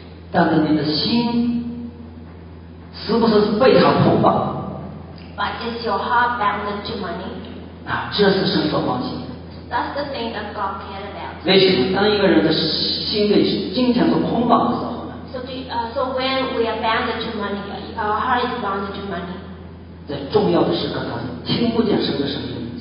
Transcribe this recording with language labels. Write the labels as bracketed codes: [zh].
[zh] 但是你的心是不是被他捆绑 [en] ？But is your heart bound to money? [zh] 啊，这是神所关心。 [en] That's the thing that God cares about. [zh] 为什么？当一个人的心被金钱所捆绑的时候呢 [en] ？So when we are bound to money, our heart is bound to money. [zh] 在重要的时刻，他听不见神的声音。